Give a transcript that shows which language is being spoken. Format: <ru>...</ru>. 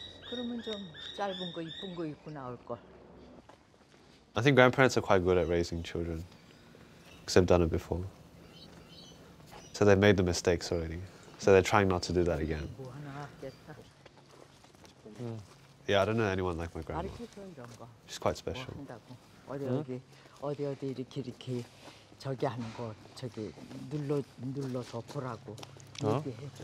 <ko>그러면 좀 짧은 거, 이쁜 거 입고 나올 걸.</ko> <en>I think grandparents are quite good at raising children. Because they've done it before. So they've made the mistakes already. So they're trying not to do that again. Yeah, I don't know anyone like my grandma. She's quite special.</en> <ko>어디 어디 응? 어디 어디 이렇게 저기 하는 거 저기 눌러 덮으라고 얘기해줘.</ko>